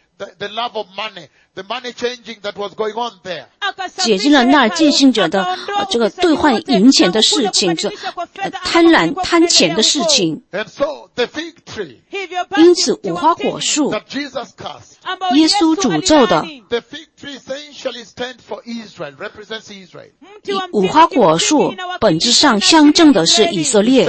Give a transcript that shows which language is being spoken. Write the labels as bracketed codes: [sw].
[en] The love of money, the money changing that was going on there. [zh] 解禁了那儿进行者的这个兑换银钱的事情，贪婪贪钱的事情。 [en] And so the fig tree. [zh] 因此无花果树。 [en] That Jesus cast. [zh] 耶稣诅咒的。 [en] The fig tree essentially stands for Israel, represents Israel. [zh] 无花果树本质上象征的是以色列。